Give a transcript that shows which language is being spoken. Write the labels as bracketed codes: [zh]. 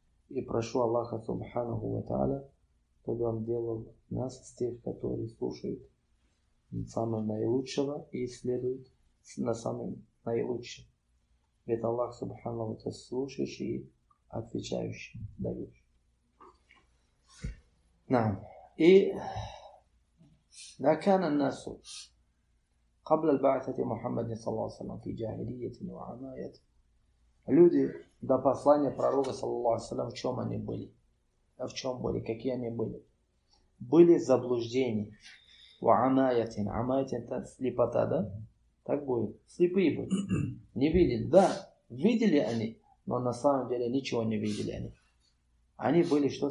[ru] И прошу Аллаха субханаху ва та'аля, чтобы он делал нас с тех, которые слушают самого наилучшего и следуют на самом наилучшем. Ведь Аллах субханаху ва та'аля слушающий и отвечающий, дающий. Да. [ar] И накана насу قبل البعثة محمد صلى الله عليه وسلم في جاهلية وعناية. [ru] Люди до послания пророка [ar] صلى الله عليه وسلم, [ru] в чем они были? В чем были? Какие они были? Были заблуждения. وعناية. عناية это слепота, да? Так будет. Слепые были. Не видели. Да, видели они, но на самом деле ничего не видели они. Они были что?